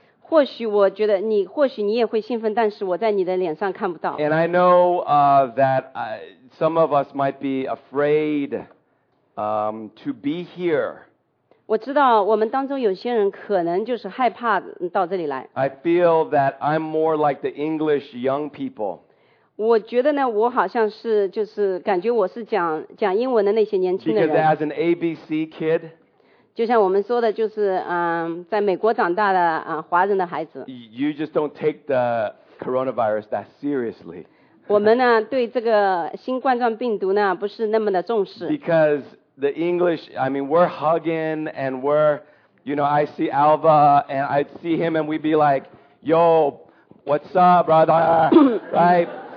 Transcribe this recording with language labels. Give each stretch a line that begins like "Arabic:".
Chinese: 或许我觉得你或许你也会兴奋但是我在你的脸上看不到
English: And I know that some of us might be afraid to be here
Chinese: 我知道我们当中有些人可能就是害怕到这里来
English: I feel that I'm more like the English young people
Chinese: 我觉得呢我好像是就是感觉我是讲英文的那些年轻的人
English: Because as an ABC kid
Chinese: 就像我们说的就是在美国长大的华人的孩子
English: You just don't take the coronavirus that seriously
Chinese: 我们呢对这个新冠状病毒呢不是那么的重视
English: Because the English, I mean we're hugging and we're, you know, I see Alva and I'd see him and we'd be like Yo, what's up brother, right?